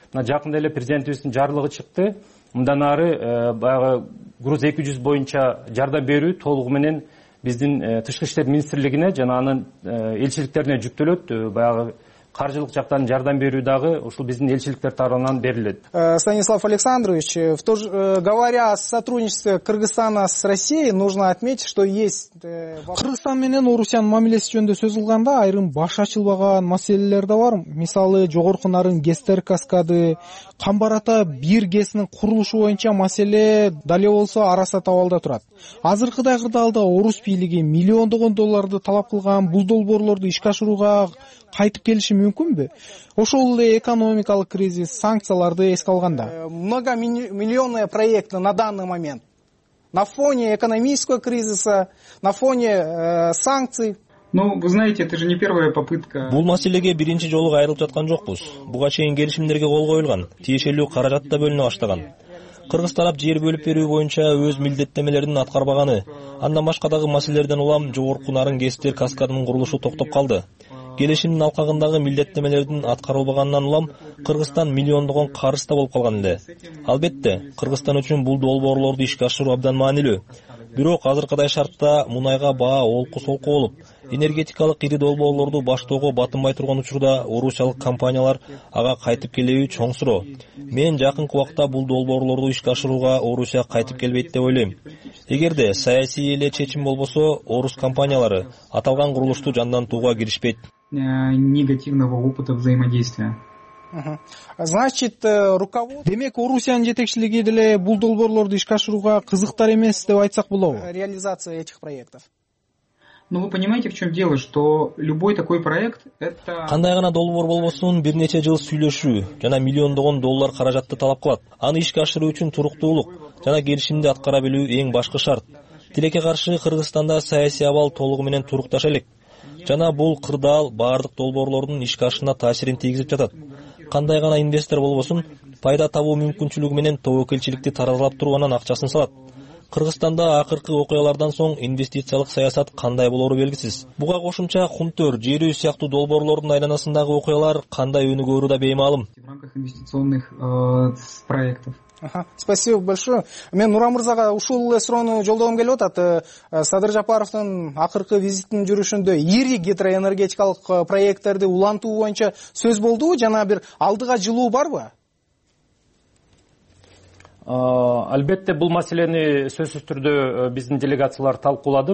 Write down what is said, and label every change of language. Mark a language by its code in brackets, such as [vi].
[ky] Мына жакында эле президентибиздин жарлыгы чыкты. Мындан ары баягы груз 200 боюнча жардам берүү толугу менен биздин тышкы иштер министрлигине жана анын элчиликтерине жүктөлөт. Баягы каржылык жактан жардам берүү дагы ушул биздин элчиликтер тарабынан берилет. [ru] Станислав Александрович, говоря о сотрудничестве Кыргызстана с Россией, нужно отметить, что есть... [ky] Кыргызстан менен Орусиянын мамилеси жөнүндө сөз кылганда айрым баш ачылбаган маселелер да бар. Мисалы, жогорку нарын гестер каскады, камбар ата бир гесинин курулушу боюнча маселе дале болсо арасат абалда турат. Азыркы дагырда орус бийлиги миллиондогон долларды талап кылган бул долбоорлорду ишке ашырууга кайтып келиши мүмкүнбү? Ошол эле экономикалык кризис, санкцияларды эске алганда. [ru] Многомиллионные проекты на данный момент на фоне экономического кризиса, на фоне санкций. Ну, вы знаете, это же не первая попытка. [ky] Бул маселеге биринчи жолу кайрылып жаткан жокпуз. Буга чейин келишимдерге кол коюлган, тиешелүү каражат да бөлүнө баштаган. Кыргыз тарап жер бөлүп берүү боюнча өз милдеттемелерин аткарбаганы, андан башка дагы маселелерден улам жогорку нарын гестер каскадынын курулушу токтоп калды. Келишимдин алкагындагы милдеттемелердин аткарылбагандан улам Кыргызстан миллиондогон карызда болуп калган эле. Албетте, Кыргызстан үчүн бул долбоорлорду ишке ашыруу абдан маанилүү. Бирок азыркыдай шартта мунайга баа олку-солку болуп, энергетикалык ири долбоорлорду баштоого батынбай турган учурда орусиялык компаниялар ага кайтып келүү чоң суроо. Мен жакынкы убакта бул долбоорлорду ишке ашырууга Орусия кайтып келбейт деп ойлойм. Эгерде саясий эле чечим болбосо, орус компаниялары аталган курулушту жандантууга киришпейт. [ru] Негативного опыта взаимодействия. Значит, руководство. [ky] Демек, Орусиянын жетекчилиги деле бул долбоорлорду ишке ашырууга кызыктар эмес деп айтсак болобу? [ru] Реализация этих проектов. Но вы понимаете, в чем дело, что любой такой проект это... [ky] Кандай гана долбоор болбосун, бир нече жыл сүйлөшүү жана миллиондогон доллар каражатты талап кылат. Аны ишке ашыруу үчүн туруктуулук жана келишимди аткара билүү эң башкы шарт. Тилекке каршы, Кыргызстанда саясий абал толугу менен турукташ элек. Жана бул кырдаал баардык долбоорлордун ишке ашына таасирин тийгизип жатат. Кандай гана инвестор болбосун, пайда табуу мүмкүнчүлүгү менен тобокелчиликти таразалап туруп анан акчасын салат. Кыргызстанда акыркы окуялардан соң инвестициялык саясат кандай болору белгисиз. Буга кошумча Кумтөр, Жер үй сыяктуу долбоорлордун айланасындагы окуялар кандай өнүгөөрү да беймаалым. [ru] В рамках инвестиционных проектов. Спасибо большое. [ky] Мен Нура мырзага ушул эле суроону жолдогом келип атат. Садыр Жапаровдун акыркы визитинин жүрүшүндө ири гидроэнергетикалык проекттерди улантуу боюнча сөз болдубу жана бир алдыга жылуу барбы? Албетте, бул маселени сөзсүз түрдө биздин делегациялар талкуулады.